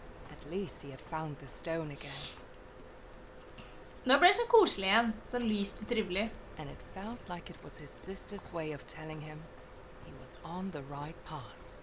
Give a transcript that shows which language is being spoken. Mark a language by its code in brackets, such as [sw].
[en] At least he had found the stone again. [no] Nå blev det så koselig igjen, så lyst och trivligt. [en] And it felt like it was his sister's way of telling him he was on the right path.